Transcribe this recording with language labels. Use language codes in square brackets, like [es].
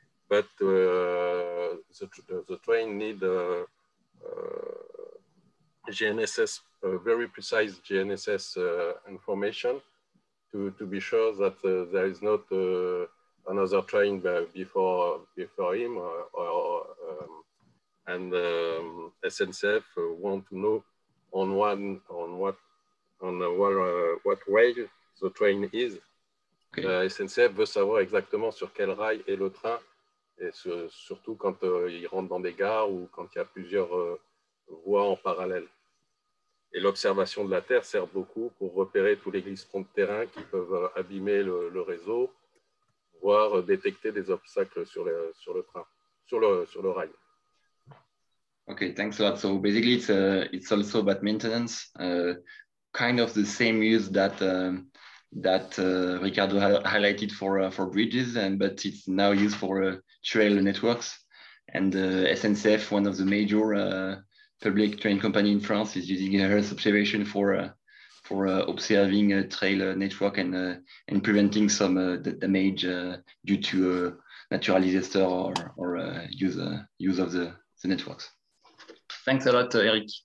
[en] But the train need GNSS, very precise GNSS information to be sure that there is not another train before him, or SNCF want to know what rail the train is. Okay. [fr] SNCF veut savoir exactement sur quel rail est le train, et surtout quand il rentre dans des gares ou quand il y a plusieurs voies en parallèle. Et l'observation de la Terre sert beaucoup pour repérer tous les glissements de terrain qui peuvent abîmer le réseau, voire détecter des obstacles sur le rail. [en] Okay, thanks a lot. So basically it's also about maintenance. Kind of the same use that Ricardo highlighted for bridges, but it's now used for trail networks. And SNCF, one of the major public train company in France, is using Earth observation for observing a trail network and preventing some damage due to a natural disaster or use of the networks. Thanks a lot, Eric.